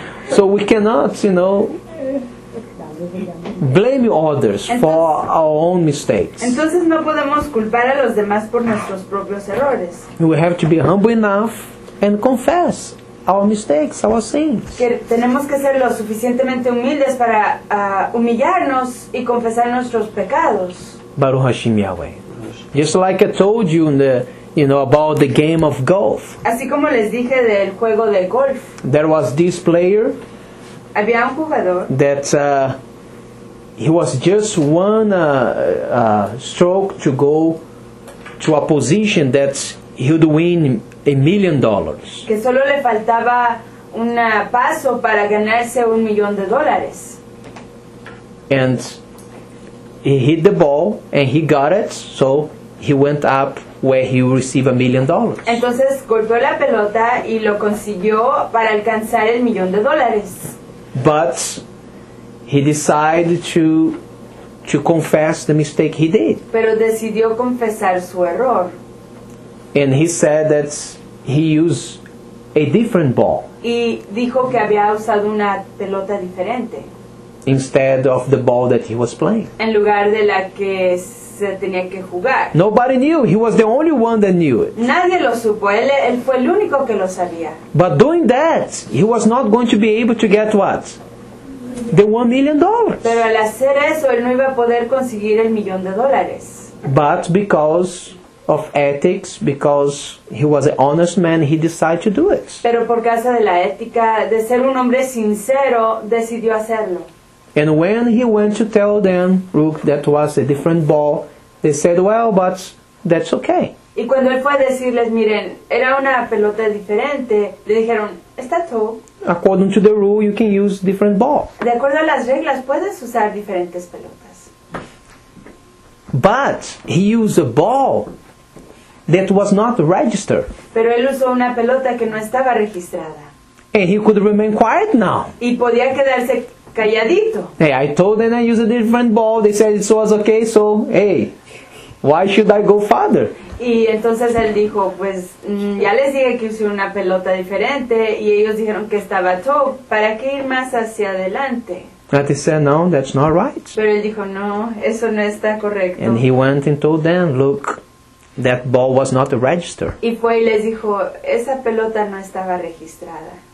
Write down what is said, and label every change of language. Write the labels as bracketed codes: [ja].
[en] So we cannot, you know, blame others for our own mistakes. [es] Entonces no podemos culpar a los demás por nuestros propios errores. [en] We have to be humble enough and confess our mistakes, our sins. [es] Que tenemos que ser lo suficientemente humildes para humillarnos y confesar nuestros pecados. [he] Baruch Hashem Yahweh. [en] Just like I told you in the, you know, about the game of golf. [es] Así como les dije del juego de golf. [en] There was this player. [es] Había un jugador. [en] That he was just one stroke to go to a position that he'd win $1,000,000. [es] Que solo le faltaba un paso para ganarse $1,000,000. [en] And he hit the ball and he got it, so he went up where he received $1,000,000. [es] Entonces golpeó la pelota y lo consiguió para alcanzar $1,000,000. [en] But he decided to confess the mistake he did. [es] Pero decidió confesar su error. [en] And he said that he used a different ball. [es] Y dijo que había usado una pelota diferente. [en] Instead of the ball that he was playing. [es] En lugar de la que se tenía que jugar. [en] Nobody knew. He was the only one that knew it. [es] Nadie lo supo. Él fue el único que lo sabía. [en] But doing that, he was not going to be able to get what? The $1,000,000. [es] Pero al hacer eso, él no iba a poder conseguir $1,000,000. [en] But because of ethics, because he was an honest man, he decided to do it. [es] Pero por causa de la ética, de ser un hombre sincero, decidió hacerlo. [en] And when he went to tell them, look, that was a different ball, they said, well, but that's okay. [es] Y cuando él fue a decirles, miren, era una pelota diferente, le dijeron, está todo. [en] According to the rule, you can use different ball. [es] De acuerdo a las reglas, puedes usar diferentes pelotas. [en] But he used a ball that was not registered. [es] Pero él usó una pelota que no estaba registrada. [en] And he could remain quiet now. [es] Y podía quedarse calladito. [en] Hey, I told them I used a different ball. They said it was okay, so, hey, why should I go farther? [es] Y entonces él dijo, pues, ya les dije que usé una pelota diferente, y ellos dijeron que estaba todo. ¿Para qué ir más hacia adelante? [en] But he said, no, that's not right. [es] Pero él dijo, no, eso no está correcto. [en] And he went and told them, look, that ball was not registered. [es] Y fue y les dijo, esa pelota no estaba registrada.